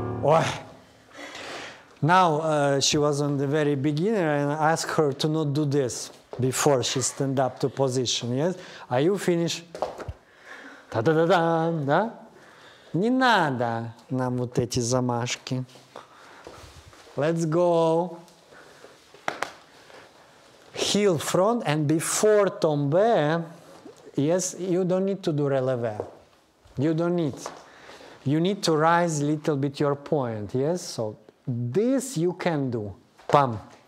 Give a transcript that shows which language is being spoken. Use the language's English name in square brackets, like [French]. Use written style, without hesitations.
[English] Oh. Now, she was on the very beginner and I asked her to not do this before she stand up to position, yes? Are you finished? Ta-da-da-da, da? [Russian] Не надо нам вот эти замашки. [English] Let's go. Heel front and before tombe, yes, you don't need to do releve. You don't need. You need to rise a little bit your point, yes? So this you can do, pam.